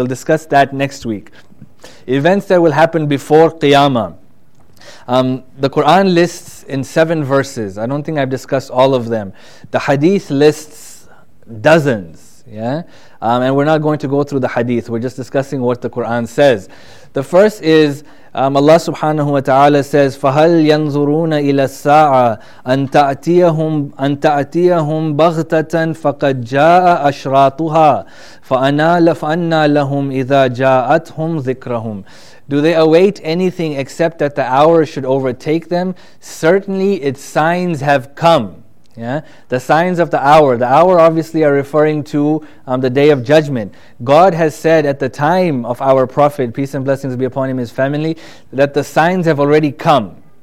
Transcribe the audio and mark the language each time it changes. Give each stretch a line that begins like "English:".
English: We'll discuss that next week. Events that will happen before Qiyamah. The Quran lists in 7 verses. I don't think I've discussed all of them. The Hadith lists dozens. Yeah, and we're not going to go through the Hadith. We're just discussing what the Quran says. The first is
Arabic: Allah subhanahu wa ta'ala
English: says,
Arabic: فَهَلْ يَنْظُرُونَ إِلَى السَّاعَةِ أَنْ تَأْتِيَهُمْ بَغْتَةً فَقَدْ جَاءَ أَشْرَاطُهَا فَأَنَّى لَهُمْ إِذَا جَاءَتْهُمْ ذِكْرَهُمْ.
English: Do they await anything except that the hour should overtake them? Certainly its signs have come. Yeah, the signs of the hour. The hour obviously are referring to the Day of Judgment. God has said at the time of our Prophet, peace and blessings be upon him, his family, that the signs have already come.